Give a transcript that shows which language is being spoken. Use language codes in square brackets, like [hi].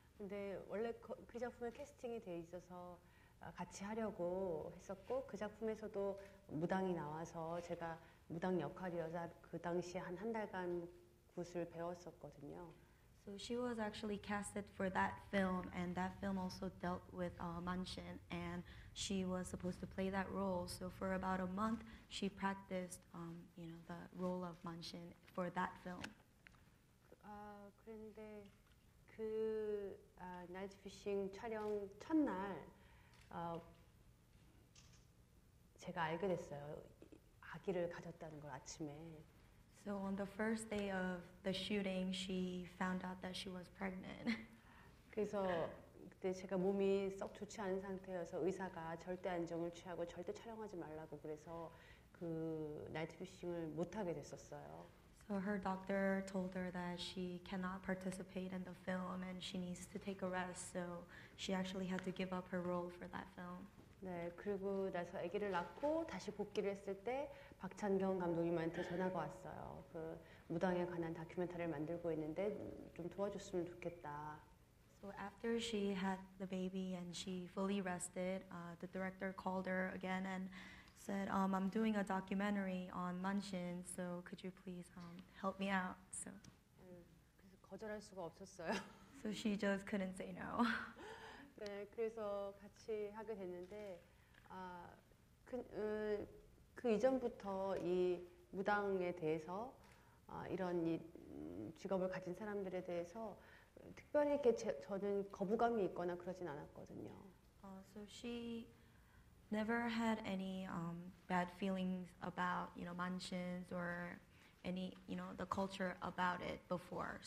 [ko] 근데 원래 그 작품에 캐스팅이 돼 있어서 같이 하려고 했었고 그 작품에서도 무당이 나와서 제가 무당 역할이어서 그 당시 한 한 달간 굿을 배웠었거든요. [en] So she was actually casted for that film, and that film also dealt with Manshin, and she was supposed to play that role. So for about a month, she practiced, you know, the role of Manshin for that film. [ko] 그런데 그 Night Fishing 촬영 첫날 제가 알게 됐어요. 아기를 가졌다는 걸 아침에. [en] So on the first day of the shooting, she found out that she was pregnant. [ko] 그래서 그때 제가 몸이 썩 좋지 않은 상태여서 의사가 절대 안정을 취하고 절대 촬영하지 말라고 그래서 그 Night Fishing을 못하게 됐었어요. [en] So her doctor told her that she cannot participate in the film and she needs to take a rest. So she actually had to give up her role for that film. [ko] 네, 그리고 나서 아기를 낳고 다시 복귀를 했을 때 박찬경 감독님한테 전화가 왔어요. 그 무당에 관한 다큐멘터리를 만들고 있는데 좀 도와줬으면 좋겠다. [en] So after she had the baby and she fully rested, the director called her again and said, I'm doing a documentary on Manshin, so could you please help me out? So. [ko] 그래서 거절할 수가 없었어요. [en] So she just couldn't say no. [ko] 네, 그래서 같이 하게 됐는데, 그 이전부터 이 무당에 대해서 이런 이 직업을 가진 사람들에 대해서 특별히 저는 거부감이 있거나 그러진 않았거든요. [en] So she never had any bad feelings about, you know, mansions or any, you know, the culture about it before.